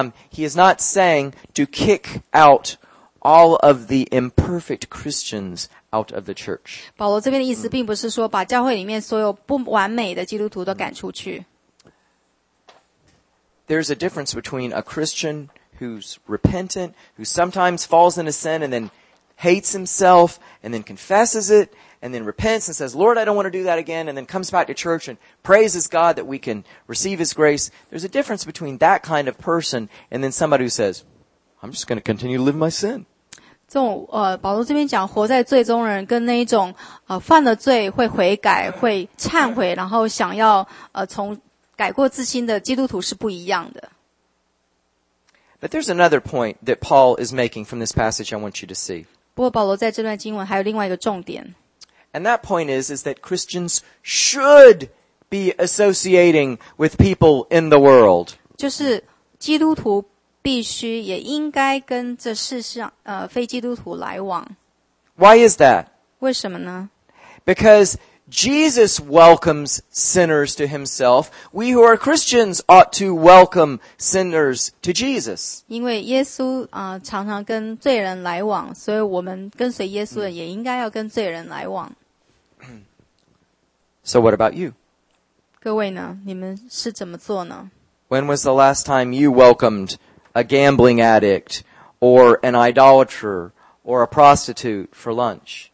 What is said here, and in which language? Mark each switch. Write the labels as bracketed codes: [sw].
[en] He is not saying to kick out all of the imperfect Christians out of the church. [zh] 保罗这边的意思并不是说把教会里面所有不完美的基督徒都赶出去。 [en] There's a difference between a Christian who's repentant, who sometimes falls into sin and then hates himself, and then confesses it, and then repents and says, Lord, I don't want to do that again, and then comes back to church and praises God that we can receive His grace. There's a difference between that kind of person and then somebody who says, I'm just going to continue to live my sin. [zh] 这种保罗这边讲活在罪中人跟那一种犯了罪会悔改会忏悔然后想要从改过自新的基督徒是不一样的。 [en] But there's another point that Paul is making from this passage I want you to see. [zh] 不过保罗在这段经文还有另外一个重点。 [en] And that point is that Christians should be associating with people in the world. [zh] 就是基督徒必须也应该跟这世上非基督徒来往。 [en] Why is that? [zh] 为什么呢? [en] Because Jesus welcomes sinners to himself. We who are Christians ought to welcome sinners to Jesus. [zh] 因为耶稣常常跟罪人来往，所以我们跟随耶稣的也应该要跟罪人来往。 [en] So what about you? [zh] 各位呢，你们是怎么做呢？ [en] When was the last time you welcomed a gambling addict or an idolater or a prostitute for lunch?